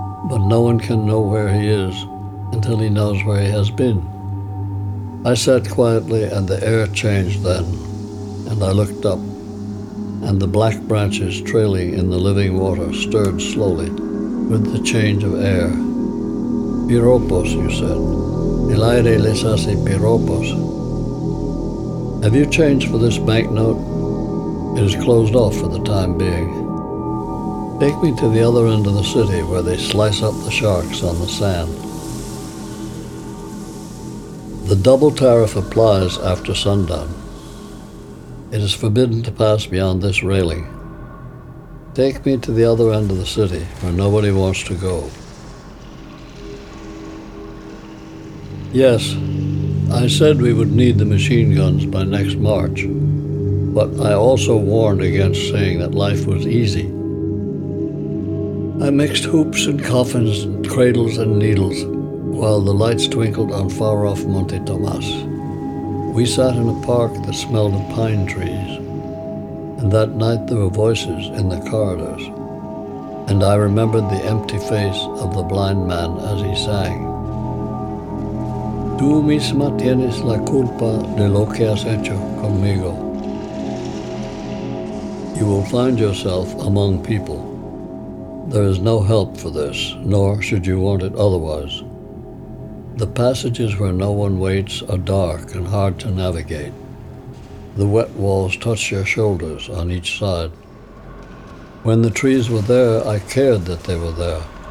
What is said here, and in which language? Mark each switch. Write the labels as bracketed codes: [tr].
[en] But no one can know where he is until he knows where he has been." I sat quietly and the air changed then, and I looked up, and the black branches trailing in the living water stirred slowly with the change of air. "Piropos," you said. [es] "El aire les hace piropos." [en] "Have you changed for this banknote?" "It is closed off for the time being." "Take me to the other end of the city where they slice up the sharks on the sand." The double tariff applies after sundown. "It is forbidden to pass beyond this railing." "Take me to the other end of the city where nobody wants to go." "Yes, I said we would need the machine guns by next March, but I also warned against saying that life was easy. I mixed hoops and coffins, cradles and needles, while the lights twinkled on far-off Monte Tomas. We sat in a park that smelled of pine trees, and that night there were voices in the corridors, and I remembered the empty face of the blind man as he sang. [es] Tú misma tienes la culpa de lo que has hecho conmigo. [en] You will find yourself among people. There is no help for this, nor should you want it otherwise. The passages where no one waits are dark and hard to navigate. The wet walls touch your shoulders on each side. When the trees were there, I cared that they were there.